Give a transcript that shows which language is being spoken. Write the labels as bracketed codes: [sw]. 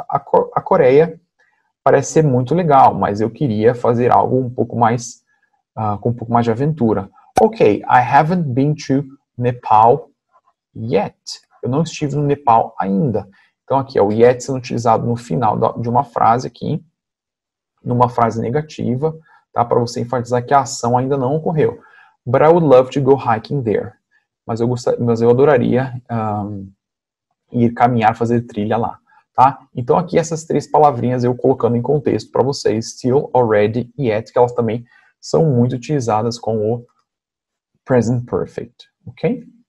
[pt] A Coreia parece ser muito legal, mas eu queria fazer algo um pouco mais, com um pouco mais de aventura. [en] Ok, I haven't been to Nepal yet. [pt] Eu não estive no Nepal ainda. Então, aqui é o yet sendo utilizado no final de uma frase aqui, numa frase negativa, tá? Para você enfatizar que a ação ainda não ocorreu. [en] But I would love to go hiking there. [pt] Mas eu adoraria ir caminhar, fazer trilha lá, tá? Então, aqui essas 3 palavrinhas eu colocando em contexto para vocês, still, already e yet, que elas também são muito utilizadas com o present perfect, ok?